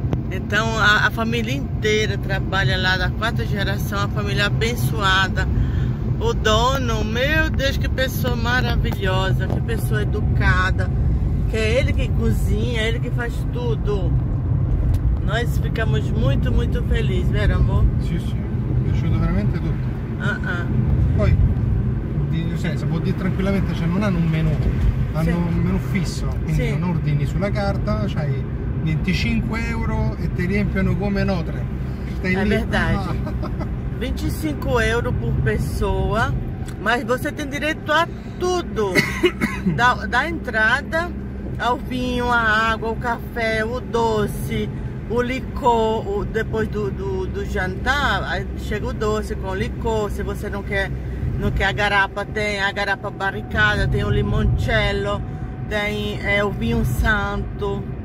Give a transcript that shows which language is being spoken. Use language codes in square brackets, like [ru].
[pt] Então a família inteira trabalha lá da quarta geração, a família abençoada. O dono, meu Deus, que pessoa maravilhosa, que pessoa educada. Que é ele que cozinha, é ele que faz tudo. Nós ficamos muito, muito felizes, vero amor? [it] Sì, mi è piaciuto veramente tutto. poi se vuol dire tranquillamente, cioè non hanno un menù, hanno un menù fisso, quindi non ordini sulla carta, c'hai 25 euro e ti riempiono come notre. [pt] È verdade. 25 euro por pessoa, mas você tem direito a tudo. Da entrada ao vinho, a água, o café, o doce, o licor, depois do jantar, chega o doce com o licor, se você não quer, não quer a garapa barricada, tem o limoncello, tem o vinho santo.